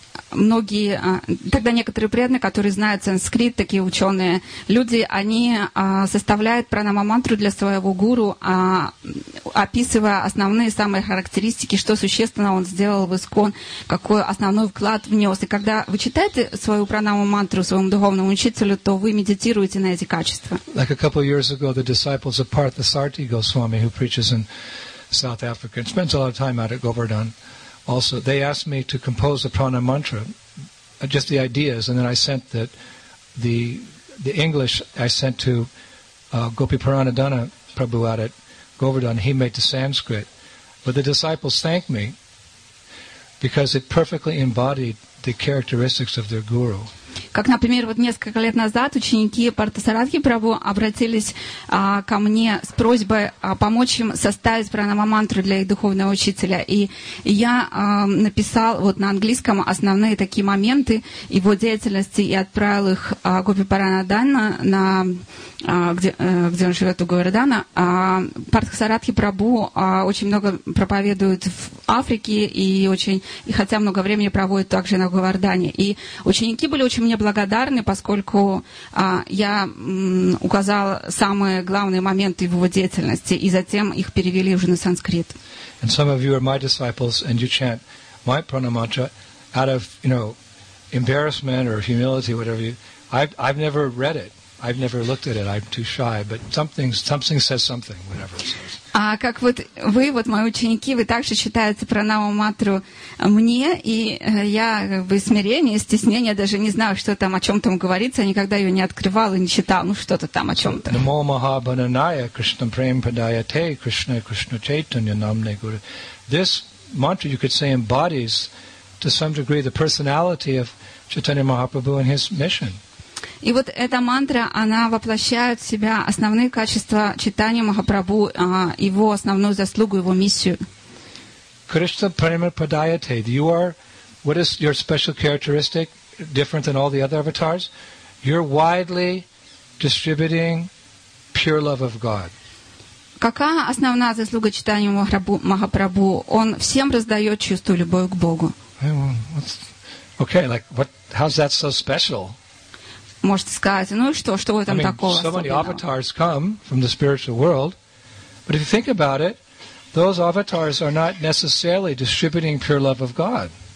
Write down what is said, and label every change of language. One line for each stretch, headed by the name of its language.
Russian: Тогда некоторые преданные, которые знают санскрит, такие ученые люди, они составляют пранама-мантру для своего гуру, описывая основные самые характеристики, что существенно он сделал в ИСКОН, какой основной вклад внес. И когда вы читаете свою пранама-мантру своему духовному учителю, то вы медитируете на эти качества.
English: Like a couple of years ago, the disciples of Parthasarathi Goswami, who preaches in South Africa and spends a lot of time out at Govardhan. Also, they asked me to compose a prana mantra, just the ideas, and then I sent the English I sent to Gopi Puranadana Prabhu out at Govardhan. He made the Sanskrit. But the disciples thanked me because it perfectly embodied the characteristics of their guru.
Russian: Как, например, вот несколько лет назад ученики Партасарадхи Прабху обратились ко мне с просьбой помочь им составить пранама-мантру для их духовного учителя. И я написал вот на английском основные такие моменты его деятельности и отправил их Гопи Паранадана, где он живет, у Говардана. Партасарадхи Прабху очень много проповедует в Африке и хотя много времени проводит также на Говардане. И ученики были очень мне благодарны, поскольку я указал самые главные моменты в его деятельности, и затем их перевели уже на санскрит.
English: And some of you are my disciples, and you chant my prana mantra out of, you know, embarrassment or humility, whatever. I've never read it. I've never looked at it. I'm too shy. But something says something, whatever it says.
Russian: А как вот вы, вот мои ученики, вы также читаете пранама-мантру мне, и я в смирении, стеснении, даже не знаю, что там, о чем там говорится, никогда ее не открывал и не читал, ну что-то там о чем-то.
Sanskrit: Намо Махабхананая Кришна Премпадая Те Кришна Кришна Чайтанья Намне Гуру.
English: This mantra, you could say, embodies to some degree the personality of Chaitanya Mahaprabhu and his mission.
Russian: И вот эта мантра, она воплощает в себя основные качества читания Махапрабху, его основную заслугу, его миссию.
Sanskrit: Кришна Према Падаяте,
English: you are, what is your special characteristic, different than all the other avatars? You're widely distributing pure love of God.
Russian: Какая основная заслуга читания Махапрабху? Он всем раздает чувство любовь к Богу.
English: Okay, like, what, how's that so special?
Russian: Можете сказать, ну и что, что в этом такого?
English: So many avatars come from the spiritual world, but if you think about it, those avatars are not necessarily distributing pure love of God.